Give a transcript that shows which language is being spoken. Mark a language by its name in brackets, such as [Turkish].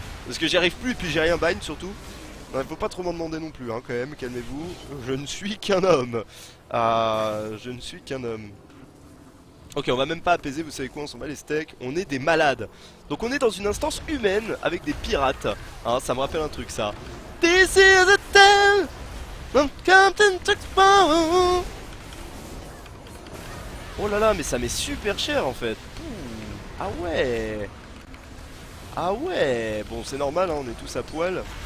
[French] Parce que j'y arrive plus, et puis j'ai rien bind surtout. Non, il faut pas trop m'en demander non plus, hein, quand même, calmez-vous. Je ne suis qu'un homme. Je ne suis qu'un homme. Ok, on va même pas apaiser, vous savez quoi, on s'en bat les steaks. On est des malades. Donc on est dans une instance humaine avec des pirates. Hein, ça me rappelle un truc, ça. [English] This is a tale of Captain Tuxpaw. [French] Oh là là, mais ça m'est super cher, en fait. Pouh. Ah ouais. Ah ouais. Bon, c'est normal, hein, on est tous à poil.